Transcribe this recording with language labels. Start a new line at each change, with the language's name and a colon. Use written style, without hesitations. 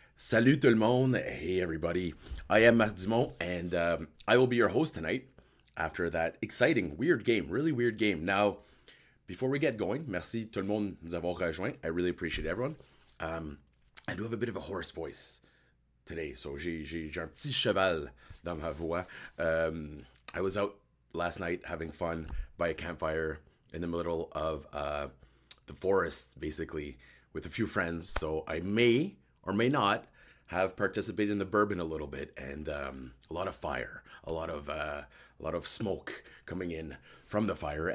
French: Salut tout le monde.
English: Hey everybody. I am Marc Dumont and I will be your host tonight after that exciting, weird game, really weird game. Now, before we get going,
French: merci tout le monde nous avoir rejoint.
English: I really appreciate everyone. I do have a bit of a hoarse voice today, so
French: j'ai un petit cheval dans ma voix.
English: I was out last night having fun by a campfire in the middle of the forest, basically, with a few friends, so I may or may not have participated in the bourbon a little bit, and a lot of fire, a lot of smoke coming in from the fire.